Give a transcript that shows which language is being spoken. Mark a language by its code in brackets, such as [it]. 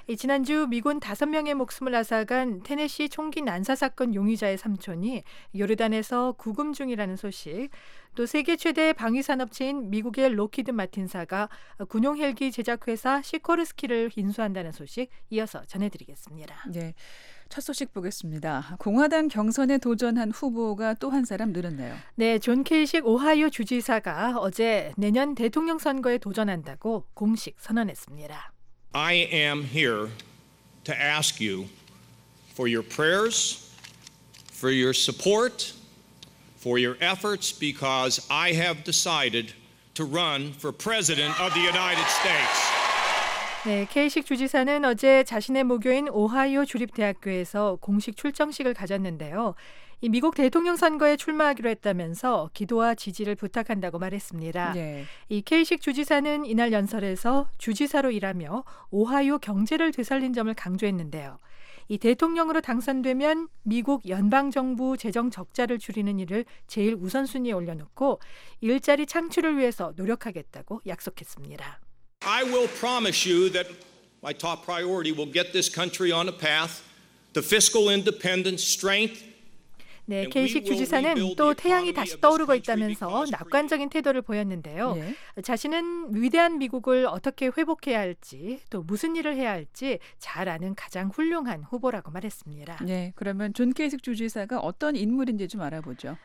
[ko] 지난주 미군 5명의 목숨을 앗아간 테네시 총기 난사 사건 용의자의 삼촌이 요르단에서 구금 중이라는 소식, 또 세계 최대 방위산업체인 미국의 록히드 마틴사가 군용 헬기 제작회사 시코르스키를 인수한다는 소식 이어서 전해드리겠습니다. 네, 첫 소식 보겠습니다. 공화당 경선에 도전한 후보가 또 한 사람 늘었네요. 네, 존 케이식 오하이오 주지사가 어제 내년 대통령 선거에 도전한다고 공식 선언했습니다. [en] I am here to ask you for your prayers, for your support, for your efforts, because I have decided to run for president of the United States. [ko] 네, 케이식 주지사는 어제 자신의 모교인 오하이오 주립대학교에서 공식 출정식을 가졌는데요. 이 미국 대통령 선거에 출마하기로 했다면서 기도와 지지를 부탁한다고 말했습니다. 네. 이 케이식 주지사는 이날 연설에서 주지사로 일하며 오하이오 경제를 되살린 점을 강조했는데요. 이 대통령으로 당선되면 미국 연방정부 재정 적자를 줄이는 일을 제일 우선순위에 올려놓고 일자리 창출을 위해서 노력하겠다고 약속했습니다. [en] I will promise you that my top priority will get this country on a path to fiscal independence, strength. [ko] 네, 케이식 주지사는 또 태양이 다시 떠오르고 있다면서 낙관적인 태도를 보였는데요. 네. 자신은 위대한 미국을 어떻게 회복해야 할지 또 무슨 일을 해야 할지 잘 아는 가장 훌륭한 후보라고 말했습니다. 네, 그러면 존 케이식 주지사가 어떤 인물인지 좀 알아보죠.